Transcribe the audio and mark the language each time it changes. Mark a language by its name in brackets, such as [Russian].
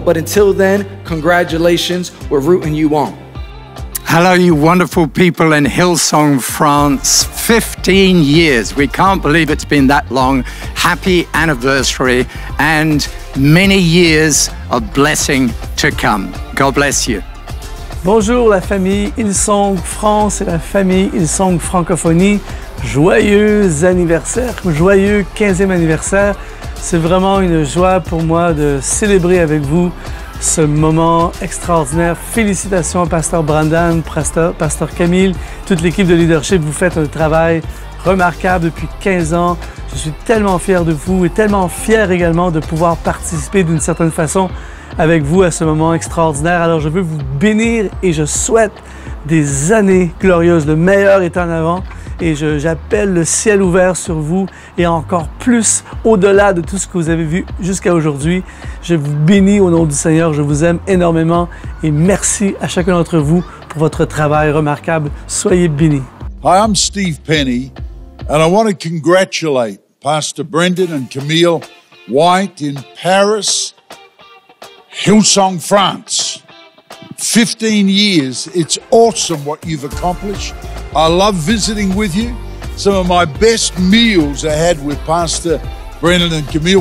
[English] But until then, congratulations. We're rooting you on. Hello, you wonderful people in Hillsong France. 15 years. We can't believe it's been that long. Happy anniversary and many years of blessing to come. God bless you. [French] Bonjour la famille Hillsong France et la famille Hillsong Francophonie. joyeux anniversaire, joyeux 15e anniversaire. C'est vraiment une joie pour moi de célébrer avec vous ce moment extraordinaire. Félicitations, Pasteur Brandon, Pasteur Camille, toute l'équipe de leadership. Vous faites un travail remarquable depuis 15 ans. Je suis tellement fier de vous et tellement fier également de pouvoir participer d'une certaine façon avec vous à ce moment extraordinaire. Alors, je veux vous bénir et je souhaite des années glorieuses. Le meilleur est en avant et j'appelle le ciel ouvert sur vous et encore plus au-delà de tout ce que vous avez vu jusqu'à aujourd'hui. Je vous bénis au nom du Seigneur. Je vous aime énormément et merci à chacun d'entre vous pour votre travail remarquable. Soyez bénis. [English] Hi, I'm Steve Penny. And I want to congratulate Pastor Brendan and Camille White in Paris, Hillsong, France. 15 years, it's awesome what you've accomplished. I love visiting with you. Some of my best meals I had with Pastor Brendan and Camille.